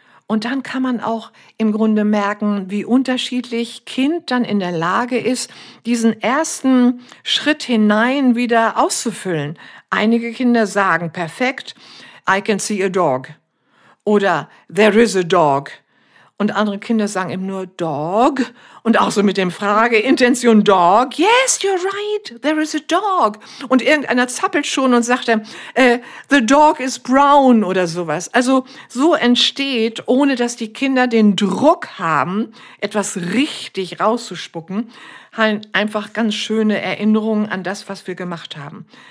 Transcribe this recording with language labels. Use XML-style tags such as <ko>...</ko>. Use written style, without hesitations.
<de>Und dann kann man auch im Grunde merken, wie unterschiedlich Kind dann in der Lage ist, diesen ersten Schritt hinein wieder auszufüllen. Einige Kinder sagen perfekt,</de> <en>I can see a dog.</en> <de>Oder</de> <en>there is a dog.</en> <de>Und andere Kinder sagen eben nur dog. Und auch so mit dem Frageintention dog.</de> <en>Yes, you're right, there is a dog.</en> <de>Und irgendeiner zappelt schon und sagt dann,</de> <en>the dog is brown</en> <de>oder sowas. Also so entsteht, ohne dass die Kinder den Druck haben, etwas richtig rauszuspucken, einfach ganz schöne Erinnerungen an das, was wir gemacht haben.</de>